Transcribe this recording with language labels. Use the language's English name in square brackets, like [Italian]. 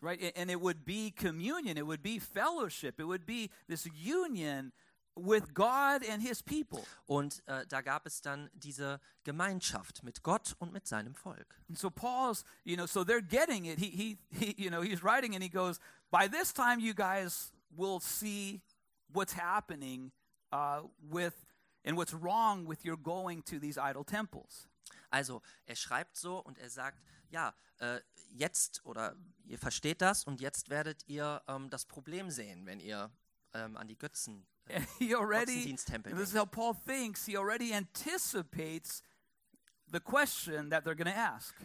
[English] Right, and it would be communion, it would be fellowship, it would be this union with God and his people. [German] Und da gab es dann diese Gemeinschaft mit Gott und mit seinem Volk. [English] And so Paul's, so they're getting it. He's writing and he goes, by this time you guys will see what's happening with and what's wrong with your going to these idol temples. [German] Also er schreibt so und er sagt, ja, jetzt, oder ihr versteht das, und jetzt werdet ihr das Problem sehen, wenn ihr an die Götzen, Götzendiensttempel denkt. [English] This is how Paul thinks. He already anticipates the question that they're going to ask.